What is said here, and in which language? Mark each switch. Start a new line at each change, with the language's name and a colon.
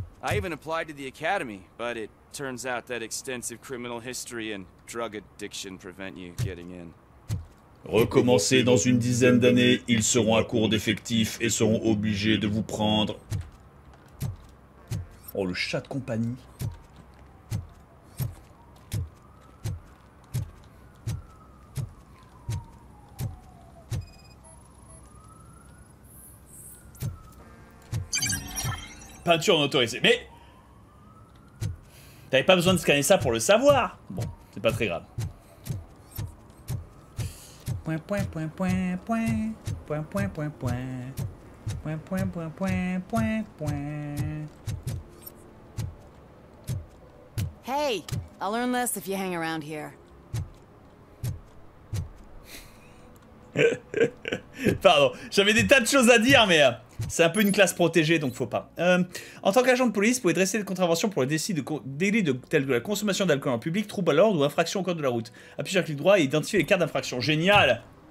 English: I even applied to the academy, but it turns out that extensive criminal history and drug addiction prevent you getting in.
French: Recommencez dans une dizaine d'années, ils seront à court d'effectifs et seront obligés de vous prendre. Oh, le chat de compagnie. Peinture autorisée. Mais t'avais pas besoin de scanner ça pour le savoir. Bon, c'est pas très grave. Point point point point point point point point point point point point point point point.
English: Hey, I'll learn less if you hang around here.
French: Pardon, j'avais des tas de choses à dire, mais. C'est un peu une classe protégée, donc faut pas. En tant qu'agent de police, vous pouvez dresser des contraventions pour le délit de tel que la consommation d'alcool en public, trouble à l'ordre ou infraction au code de la route. Appuyez sur clic droit et identifiez les cas d'infraction. Génial!